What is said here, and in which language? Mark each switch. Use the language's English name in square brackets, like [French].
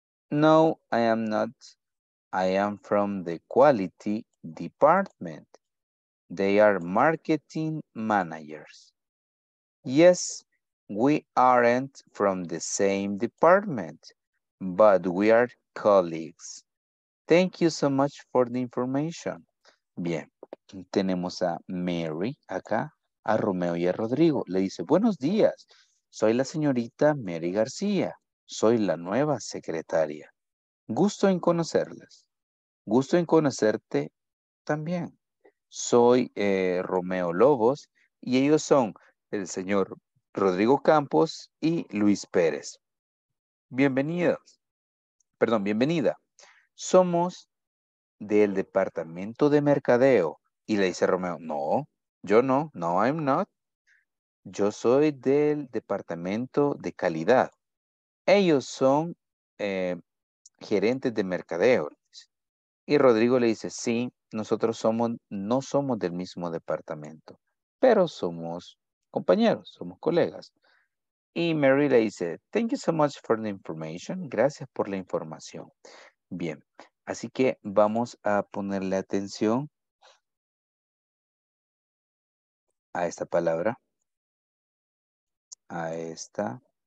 [English] No, I am not. I am from the quality department. They are marketing managers. Yes, we aren't from the same department, but we are colleagues. Thank you so much for the information. [Spanish] Bien, tenemos a Mary acá, a Romeo y a Rodrigo. Le dice, buenos días, soy la señorita Mary García. Soy la nueva secretaria. Gusto en conocerles. Gusto en conocerte también. Soy Romeo Lobos y ellos son el señor Rodrigo Campos y Luis Pérez. Bienvenidos. Perdón, bienvenida. Somos del departamento de mercadeo. Y le dice Romeo, no, yo no, [English] no, I'm not. [Spanish] Yo soy del departamento de calidad. Ellos son gerentes de mercadeo. Y Rodrigo le dice, sí, nosotros somos, no somos del mismo departamento, pero somos compañeros, somos colegas. Y Mary le dice, [English] thank you so much for the information. [Spanish] Gracias por la información. Bien, así que vamos a ponerle atención a esta palabra. A esta.